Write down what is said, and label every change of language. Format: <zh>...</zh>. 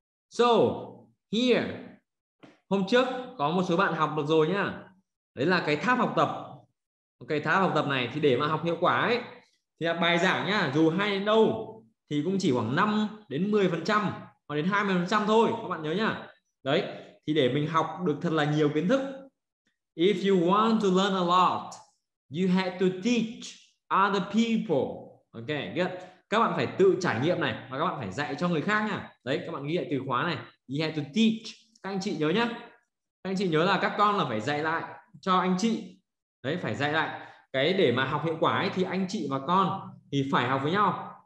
<en>So, here,</en> <vi>hôm trước có một số bạn học được rồi nhá. Đấy là cái tháp học tập. Ok, tháp học tập này thì để mà học hiệu quả ấy, thì là bài giảng nhá, dù hay đến đâu thì cũng chỉ khoảng 5 đến 10% hoặc đến 20% thôi, các bạn nhớ nhá. Đấy, thì để mình học được thật là nhiều kiến thức.</vi> <en>If you want to learn a lot, you have to teach other people. Ok, good.</en> <vi>Các bạn phải tự trải nghiệm này và các bạn phải dạy cho người khác nha. Đấy, các bạn ghi lại từ khóa này.</vi> <en>You have to teach.</en> <vi>Các anh chị nhớ nhá. Các anh chị nhớ là các con là phải dạy lại cho anh chị. Đấy, phải dạy lại. Cái để mà học hiệu quả ấy, thì anh chị và con thì phải học với nhau.</vi>